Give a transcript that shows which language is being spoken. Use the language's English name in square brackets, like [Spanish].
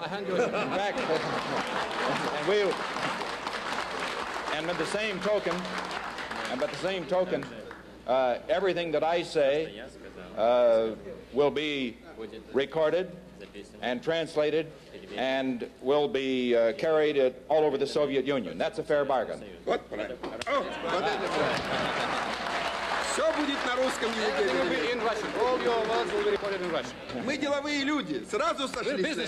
[English] In fact, and by the same token, everything that I say will be recorded and translated and will be carried all over the Soviet Union. That's a fair bargain. What? Oh. [Russian] Все будет на русском языке. [English] All your words will be recorded in Russian. [Russian] Мы деловые люди. Сразу сошлись.